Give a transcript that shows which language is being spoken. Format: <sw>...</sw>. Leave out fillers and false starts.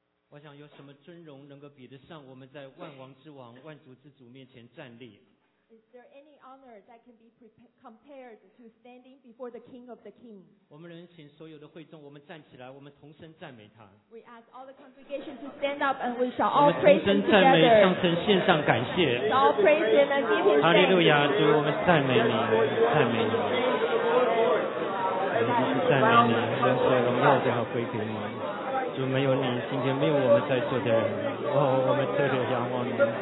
<zh>我想有什么尊荣能够比得上我们在万王之王万主之主面前站立。</zh> <en>Is there any honor that can be compared to standing before the King of the Kings?</en> <zh>我们能请所有的会众，我们站起来，我们同声赞美他。</zh> <en>We ask all the congregation to stand up, and we shall all praise him together.</en> <zh>我们同声赞美，向神献上感谢。</zh> <en>All praise him and give him thanks.</en> <zh>哈利路亚，主，我们赞美你，赞美你，我们赞美你，让所有荣耀都要归给你。主，没有你，今天没有我们在座的人。哦，我们特别仰望你。</zh>